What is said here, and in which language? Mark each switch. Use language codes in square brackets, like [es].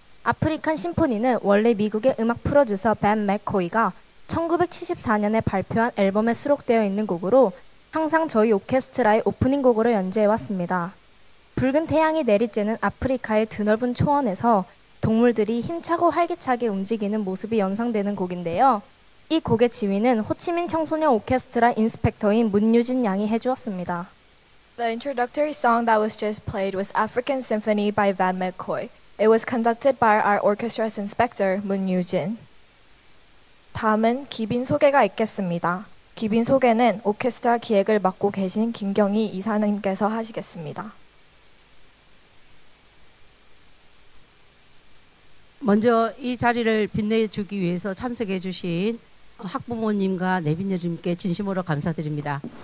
[ko] 아프리칸 심포니는 원래 미국의 음악 프로듀서 벤 맥코이가 1974년에 발표한 앨범에 수록되어 있는 곡으로 항상 저희 오케스트라의 오프닝 곡으로 연주해왔습니다. 붉은 태양이 내리쬐는 아프리카의 드넓은 초원에서 동물들이 힘차고 활기차게 움직이는 모습이 연상되는 곡인데요. 이 곡의 지휘는 호치민 청소년 오케스트라 인스펙터인 문유진 양이 해주었습니다. [en] The introductory song that was just played was African Symphony by Van McCoy. It was conducted by our orchestra's inspector, Moon Yoo-jin. [ko] 다음은 기빈 소개가 있겠습니다. 기빈 소개는 오케스트라 기획을 맡고 계신 김경희 이사님께서 하시겠습니다. 먼저 이 자리를 빛내주기 위해서 참석해 주신 학부모님과 내빈여님께 진심으로 감사드립니다.